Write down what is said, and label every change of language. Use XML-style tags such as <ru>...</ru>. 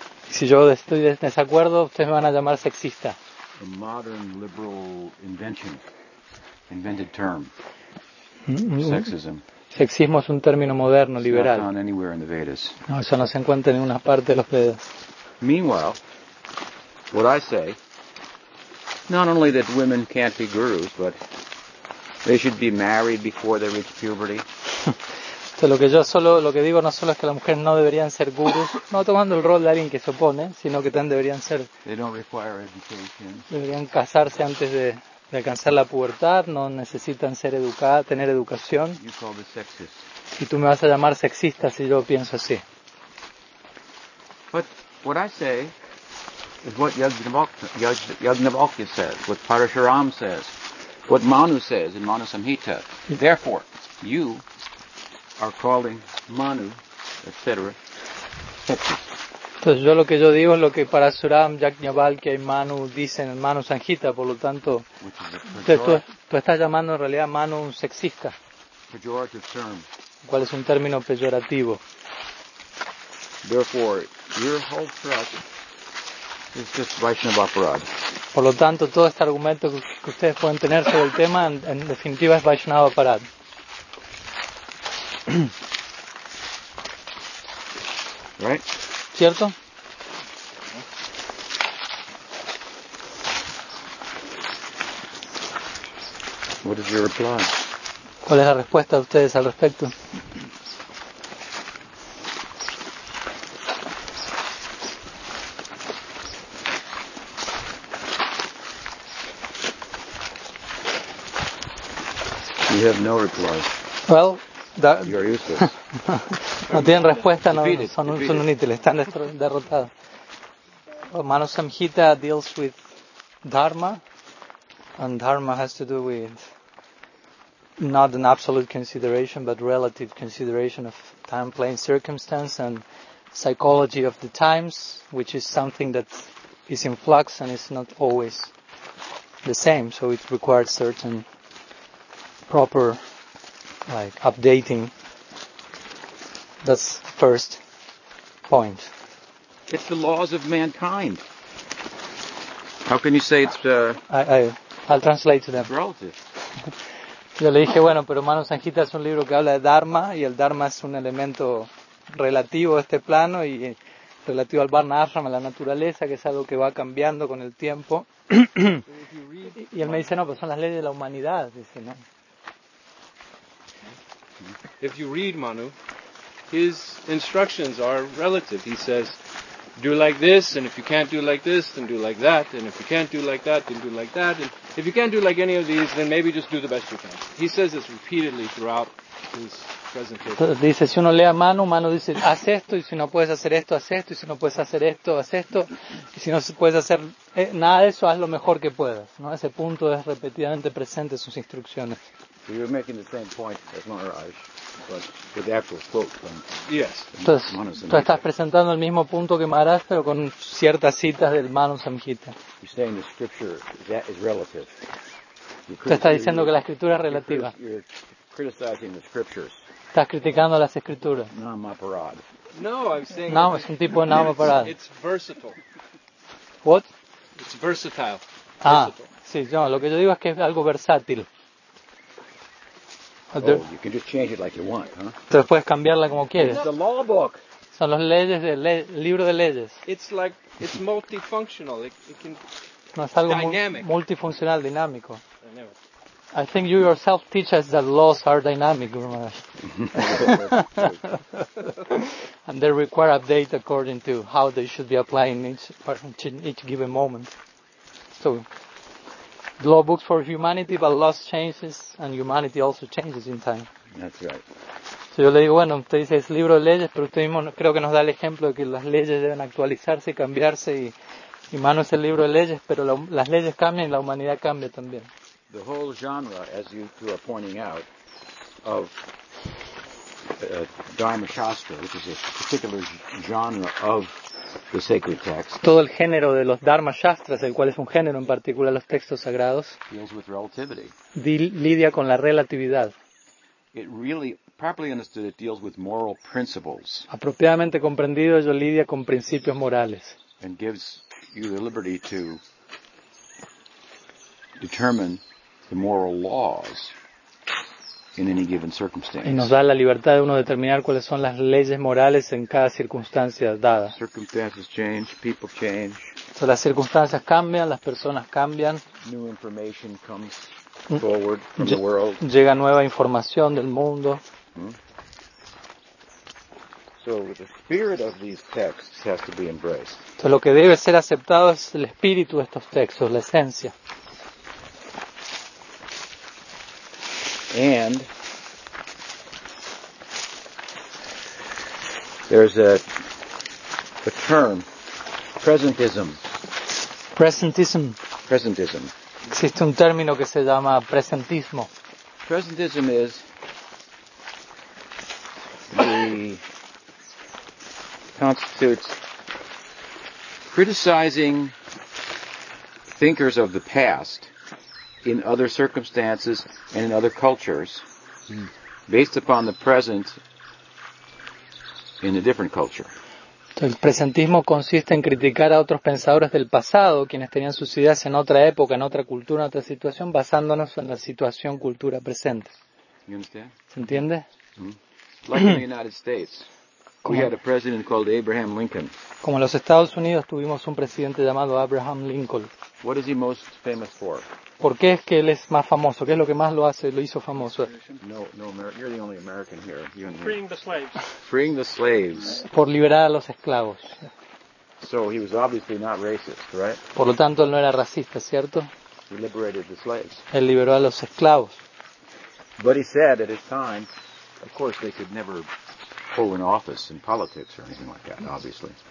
<es>Si yo estoy en desacuerdo, ustedes me van a llamar sexista.</es> <en>A modern liberal invention, invented term. Sexism.</en> <es>Sexismo es un término moderno, liberal.</es> <en>Not anywhere in the Vedas.</en> <es>No, eso no se encuentra en ninguna parte de los Vedas.</es> <en>Meanwhile, what I say, not only that women can't be gurus, but they should be married before they reach puberty.</en> <es>Entonces, lo que digo no solo es que las mujeres no deberían ser gurus, no tomando el rol de alguien que se opone, sino que también deberían ser.</es> <en>They don't require education.</en> <es>Deberían casarse antes de alcanzar la pubertad, no necesitan ser educadas, tener educación.</es> <en>You call me sexist.</en> <es>Y tú me vas a llamar sexista si yo pienso así.</es> <en>But what I say is what Yajnavalkya says, what Parashuram says, what Manu says in Manu Samhita. Therefore, you are calling Manu, etc.</en> <es>Entonces yo lo que yo digo es lo que Parashuram, Yajnavalkya y Manu dicen en Manu Samhita, por lo tanto, tú estás llamando en realidad Manu un sexista.</es> <en>Pejorative term.</en> <es>¿Cuál es un término peyorativo?</es> <en>Therefore, your whole thrust is just Vaishnava Parada.</en> <es>Por lo tanto, todo este argumento que ustedes pueden tener sobre el tema, en definitiva, es Vaishnava Parada.</es> <en>Right?</en> <es>¿Cierto?</es> <en>What is your reply?</en> <es>¿Cuál es la respuesta de ustedes al respecto?</es> <en>You have no reply. Well, you are useless.</en> <es>No tienen respuesta, no, son inútiles, están derrotados.</es> <en>Manu Samhita deals with dharma, and dharma has to do with not an absolute consideration, but relative consideration of time, plane, circumstance, and psychology of the times, which is something that is in flux and is not always the same. So it requires certain proper, like, updating. That's the first point. It's the laws of mankind. How can you say it's I'll translate to them. Relative.</en> <es>Yo le dije, bueno, pero Manu Samhita es un libro que habla de Dharma, y el Dharma es un elemento relativo a este plano, y relativo al Varna Ashram, a la naturaleza, que es algo que va cambiando con el tiempo. Y él me dice, no, pero son las leyes de la humanidad. Dice, ¿no?</es> <en>If you read Manu, his instructions are relative. He says, do like this, and if you can't do like this, then do like that, and if you can't do like that, then do like that, and if you can't do like any of these, then maybe just do the best you can. He says this repeatedly throughout his presentation.</en> <es>Entonces dice, si uno lee a Manu, Manu dice, haz esto, y si no puedes hacer esto, haz esto, y si no puedes hacer esto, haz esto, y si no puedes hacer nada de eso, haz lo mejor que puedas. ¿No? Ese punto es repetidamente presente en sus instrucciones.</es> <en>So you're making the same point as Maharaj. But the actual quote from, yes.</en> <es>Entonces, tú estás presentando el mismo punto que Maharaj, pero con ciertas citas del Manu Samhita.</es> <en>You're saying the scripture, that is relative.</en> <es>Tú estás diciendo que la escritura es relativa.</es> <en>You're criticizing the scriptures.</en> <es>Estás criticando las escrituras.</es> <en>No, I'm saying</en> <es>no, es un tipo de Nama Parada.</es> <en>It's versatile. What? It's versatile. Ah, versatile.</en> <es>Sí, no, lo que yo digo es que es algo versátil.</es> <en>Oh, you can just change it like you want, huh?</en> <es>Entonces puedes cambiarla como quieres.</es> <en>It's the law book.</en> <es>Son los leyes del libro de leyes.</es> <en>It's like it's multifunctional. It can.</en> <es>No, es algo</es> <en>dynamic.</en> <es>Multifuncional, dinámico.</es> <en>Dynamic. I think you yourself teach us that laws are dynamic, Guru Maharaj. And they require update according to how they should be applied in each given moment. So, law books for humanity, but laws changes and humanity also changes in time. That's right.</en> <es>So yo le digo, bueno, usted dice es libro de leyes, pero usted mismo creo que nos da el ejemplo de que las leyes deben actualizarse y cambiarse y mano es el libro de leyes, pero las leyes cambian y la humanidad cambia también.</es> <en>The whole genre, as you two are pointing out, of Dharma Shastra, which is a particular genre of the sacred text.</en> <es>Todo el género de los Dharma Shastras, el cual es un género en particular los textos sagrados,</es> <en>deals with relativity.</en> <es>Lidia con la relatividad.</es> <en>It really, properly understood, it deals with moral principles.</en> <es>Apropiadamente comprendido, ello lidia con principios morales.</es> <en>And gives you the liberty to determine the moral laws in any given circumstance.</en> <es>Y nos da la libertad de uno determinar cuáles son las leyes morales en cada circunstancia dada.</es> <en>Circumstances change, people change.</en> <es>So las circunstancias cambian, las personas cambian.</es> <en>New information comes forward from the world.</en> <es>Llega nueva información del mundo.</es> <en>So the spirit of these texts has to be embraced.</en> <es>So lo que debe ser aceptado es el espíritu de estos textos, la esencia.</es> <en>And there's a term, presentism. Presentism. Presentism.</en> <es>Existe un término que se llama presentismo.</es> <en>Presentism is the constitutes criticizing thinkers of the past in other circumstances and in other cultures based upon the present in a different culture.</en> <es>El presentismo consiste en criticar a otros pensadores del pasado, quienes tenían sus ideas en otra época, en otra cultura, en otra situación, basándonos en la situación, cultura presente.</es> <en>You understand?</en> <es>¿Se entiende?</es> <en>Like in the United States, we had a president called Abraham Lincoln.</en> <es>Como en los Estados Unidos tuvimos un presidente llamado Abraham Lincoln.</es> <en>What is he most famous for?</en> <es>¿Por qué es que él es más famoso? ¿Qué es lo que más lo hizo famoso?</es> <en>No, you're the only American here. Freeing the slaves. Freeing the slaves.</en> <es>Por liberar a los esclavos.</es> <en>So he was obviously not racist, right?</en> <es>Por lo tanto, él no era racista, ¿cierto?</es> <en>He liberated the slaves.</en> <es>Él liberó a los esclavos.</es> <en>But he said at his time, of course they could never hold an office in politics or anything like that, obviously.</en>